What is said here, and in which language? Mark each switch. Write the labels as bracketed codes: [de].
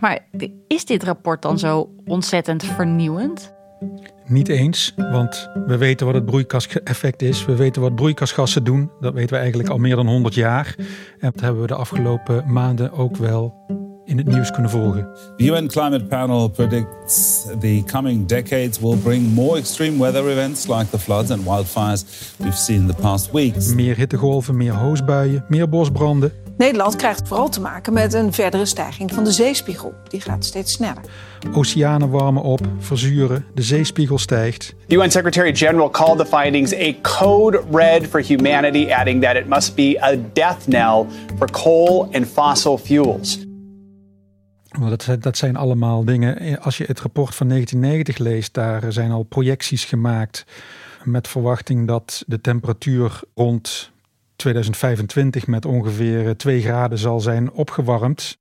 [nl] Maar is dit rapport dan zo ontzettend vernieuwend? Niet eens, want we weten wat het broeikaseffect is. We weten wat broeikasgassen doen. Dat weten we eigenlijk al meer dan 100 jaar. En dat hebben we de afgelopen maanden ook wel in het nieuws kunnen volgen. [en] The UN Climate Panel predicts the coming decades will bring more extreme weather events like the floods and wildfires we've seen in the past weeks. [nl] Meer hittegolven, meer hoosbuien, meer bosbranden. Nederland krijgt vooral te maken met een verdere stijging van de zeespiegel. Die gaat steeds sneller. Oceanen warmen op, verzuren, de zeespiegel stijgt. [en] The UN Secretary General called the findings a code red for humanity, adding that it must be a death knell for coal and fossil fuels. [nl] Dat zijn allemaal dingen. Als je het rapport van 1990 leest, daar zijn al projecties gemaakt met verwachting dat de temperatuur rond 2025 met ongeveer 2 graden zal zijn opgewarmd.